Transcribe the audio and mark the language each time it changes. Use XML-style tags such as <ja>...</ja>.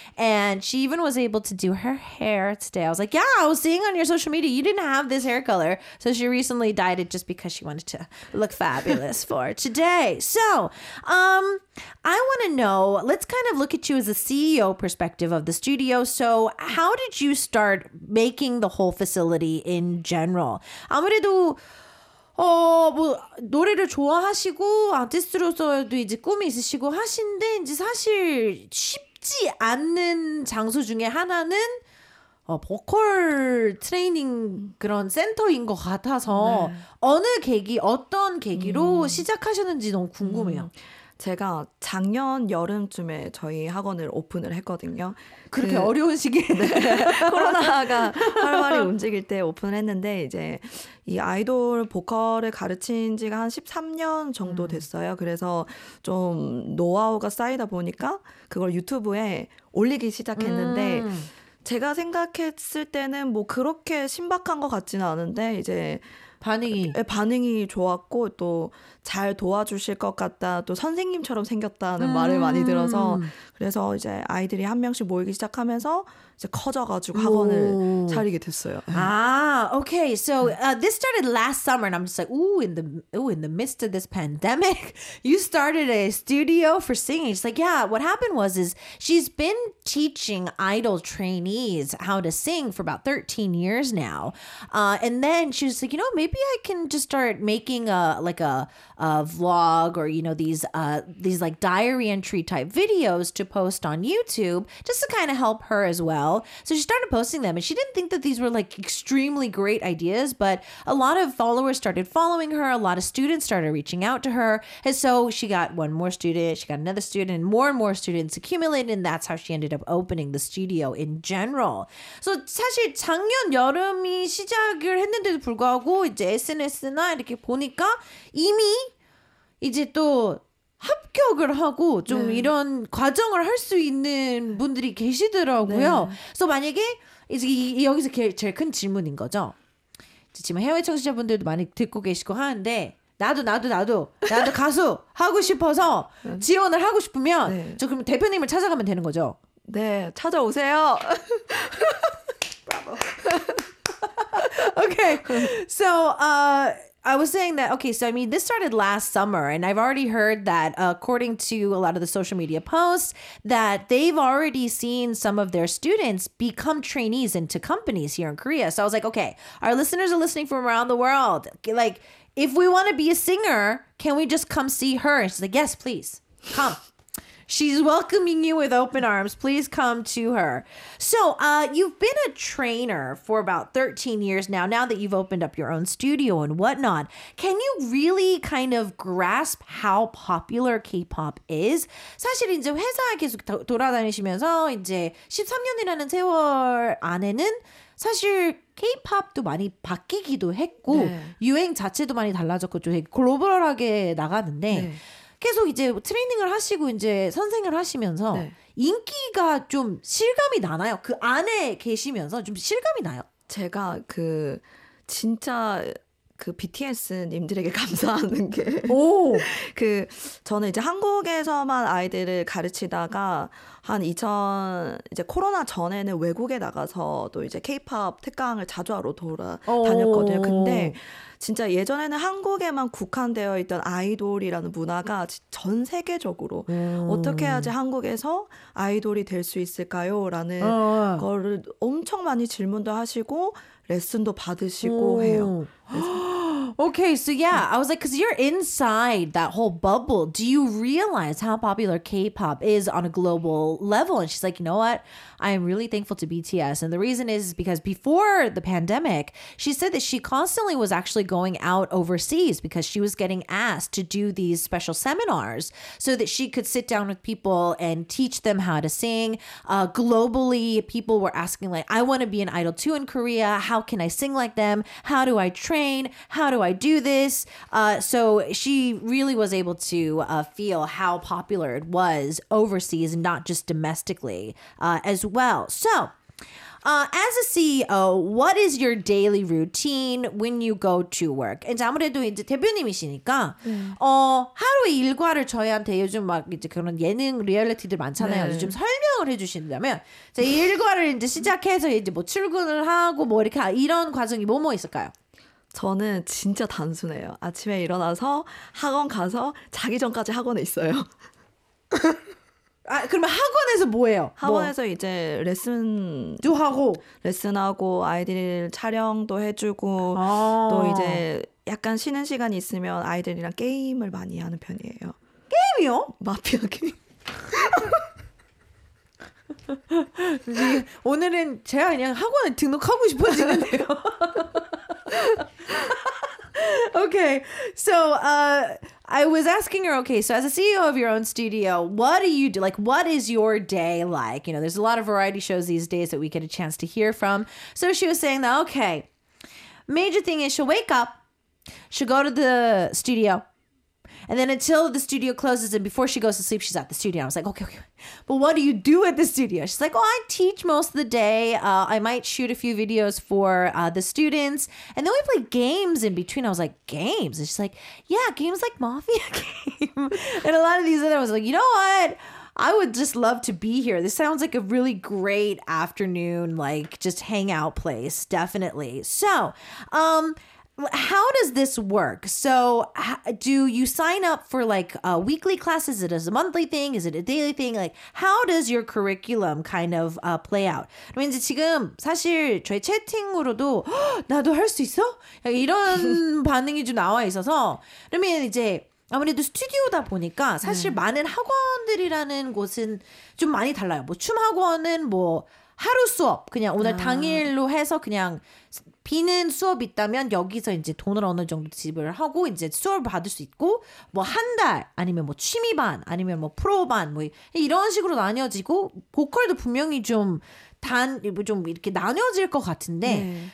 <en>And she even was able to do her hair today. I was like, yeah, I was seeing on your social media, you didn't have this hair color. So she recently dyed it just because she wanted to look fabulous for today. So I want to know, let's kind of look at you as a CEO perspective of the studio. So how did you start making the whole facility in general?</en> <ko>아무래도 뭐 노래를 좋아하시고 아티스트로서도 이제 꿈이 있으시고 하신데 이제 사실 쉽지 않는 장소 중에 하나는 보컬 트레이닝 그런 센터인 것 같아서 네. 어느 계기, 어떤 계기로 시작하셨는지 너무 궁금해요. 제가 작년 여름쯤에 저희 학원을 오픈을 했거든요. 그렇게 어려운 시기에 네. 코로나가 활발히 움직일 때 오픈을 했는데 이제 이 아이돌 보컬을 가르친 지가 한 13년 정도 됐어요. 그래서 좀 노하우가 쌓이다 보니까 그걸 유튜브에 올리기 시작했는데 제가 생각했을 때는 뭐 그렇게 신박한 것 같지는 않은데 이제 반응이 좋았고 또 잘 도와주실 것 같다 또 선생님처럼 생겼다는 말을 많이 들어서 그래서 이제 아이들이 한 명씩 모이기 시작하면서 이제 커져가지고 학원을 차리게 됐어요.</ko> <en>아, okay. So this started last summer, and I'm just like, in the midst of this pandemic, you started a studio for singing. She's like, yeah. What happened was is she's been teaching idol trainees how to sing for about 13 years now, and then she was like, you know, maybe I can just start making a like a vlog or, you know, these like diary entry type videos to post on YouTube just to kind of help her as well. So she started posting them, and she didn't think that these were like extremely great ideas, but a lot of followers started following her. A lot of students started reaching out to her. And so she got one more student, she got another student, more and more students accumulated. And that's how she ended up opening the studio in general. So</en> <ko>사실 작년 여름이 시작을 했는데도 불구하고 이제 SNS나 이렇게 보니까 이미 이제 또 합격을 하고 좀 네. 이런 과정을 할 수 있는 분들이 계시더라고요. 네.</ko> <en>So</en> <ko>만약에 이제 여기서 제일 큰 질문인 거죠. 지금 해외 청취자분들도 많이 듣고 계시고 하는데 나도 가수 하고 싶어서 지원을 하고 싶으면 네. 저 그럼 대표님을 찾아가면 되는 거죠? 네, 찾아오세요.</ko> <en>Bravo. Okay, so I was saying that, okay, so I mean, this started last summer, and I've already heard that according to a lot of the social media posts, that they've already seen some of their students become trainees into companies here in Korea. So I was like, okay, our listeners are listening from around the world. Like, if we want to be a singer, can we just come see her? And she's like, yes, please, come. She's welcoming you with open arms. Please come to her. So you've been a trainer for about 13 years now, now that you've opened up your own studio and whatnot. Can you really kind of grasp how popular K-pop is?</en> <ko>사실 이제 회사 계속 돌아다니시면서 이제 13년이라는 세월 안에는 사실 K-pop도 많이 바뀌기도 했고 네. 유행 자체도 많이 달라졌고 좀 글로벌하게 나가는데 네. 계속 이제 트레이닝을 하시고 이제 선생을 하시면서 네. 인기가 좀 실감이 나나요? 그 안에 계시면서 좀 실감이 나요? 제가 그 진짜 그 BTS님들에게 감사하는 게 오! 그 저는 이제 한국에서만 아이들을 가르치다가 한 2000 이제 코로나 전에는 외국에 나가서 또 이제 K-pop 특강을 자주 하러 돌아다녔거든요. 근데 진짜 예전에는 한국에만 국한되어 있던 아이돌이라는 문화가 전 세계적으로 어떻게 해야지 한국에서 아이돌이 될 수 있을까요? 라는 거를 엄청 많이 질문도 하시고 레슨도 받으시고 해요.</ko> <en>Okay, so yeah, I was like, because you're inside that whole bubble. Do you realize how popular K-pop is on a global level? And she's like, you know what? I am really thankful to BTS. And the reason is because before the pandemic, she said that she constantly was actually going out overseas because she was getting asked to do these special seminars so that she could sit down with people and teach them how to sing. Globally, people were asking, like, I want to be an idol too in Korea. How can I sing like them? How do I train? How do I do this? So she really was able to feel how popular it was overseas, not just domestically, as well. So as a CEO, what is your daily routine when you go to work? And</en> <ko>아무래도 이제 대표님이시니까 하루의 일과를 저희한테 요즘 막 이제 그런 예능 리얼리티들 많잖아요. 네. 좀 설명을 해주신다면 이제 일과를 이제 시작해서 이제 뭐 출근을 하고 뭐 이렇게 이런 과정이 뭐뭐 있을까요? 저는 진짜 단순해요. 아침에 일어나서 학원 가서 자기 전까지 학원에 있어요. 아, 그러면 학원에서 뭐해요? 학원에서 뭐. 이제 레슨도 하고 레슨하고 아이들 촬영도 해주고 또 이제 약간 쉬는 시간이 있으면 아이들이랑 게임을 많이 하는 편이에요. 게임이요? 마피아 게임. 오늘은 제가 그냥 학원에 등록하고 싶어지는데요.</ko> <en>Okay, so I was asking her, okay, so as a CEO of your own studio, what do you do? Like, what is your day like? You know, there's a lot of variety shows these days that we get a chance to hear from. So she was saying that, okay, major thing is she'll wake up, she'll go to the studio, and then until the studio closes and before she goes to sleep, she's at the studio. I was like, okay. But what do you do at the studio? She's like, oh, I teach most of the day. I might shoot a few videos for the students. And then we play games in between. I was like, games? And she's like, yeah, games like Mafia Game. And a lot of these other ones. I was like, you know what? I would just love to be here. This sounds like a really great afternoon, like, just hangout place, definitely. So, how does this work? So do you sign up for like a weekly class? Is it a monthly thing? Is it a daily thing? Like, how does your curriculum kind of play out? I mean,</en> <ko>지금 사실 저희 채팅으로도 나도 할 수 있어? 이런 반응이 좀 나와 있어서 그러면 이제 아무래도 스튜디오다 보니까 사실 네. 많은 학원들이라는 곳은 좀 많이 달라요. 뭐 춤 학원은 뭐 하루 수업 그냥 오늘 아. 당일로 해서 그냥 비는 수업 있다면 여기서 이제 돈을 어느 정도 지불을 하고 이제 수업을 받을 수 있고 뭐 한 달 아니면 뭐 취미반 아니면 뭐 프로반 뭐 이런 식으로 나뉘어지고 보컬도 분명히 좀 단 좀 이렇게 나뉘어질 것 같은데 네.</ko>